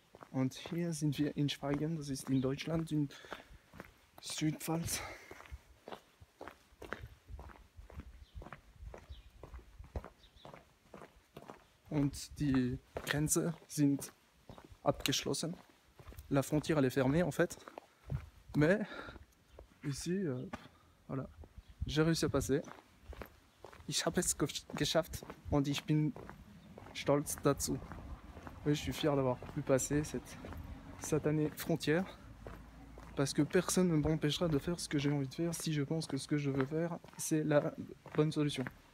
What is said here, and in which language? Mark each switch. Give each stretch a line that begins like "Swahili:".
German: Und hier sind wir in Schweigen, das ist in Deutschland, in Südpfalz. Und die Grenze sind abgeschlossen.
French: La frontière, elle est fermée, en fait. Mais, ici, voilà, j'ai réussi à passer.
German: Ich habe es geschafft und ich bin stolz dazu.
French: Oui, je suis fier d'avoir pu passer cette satanée frontière. Parce que personne ne m'empêchera de faire ce que j'ai envie de faire si je pense que ce que je veux faire, c'est la bonne solution.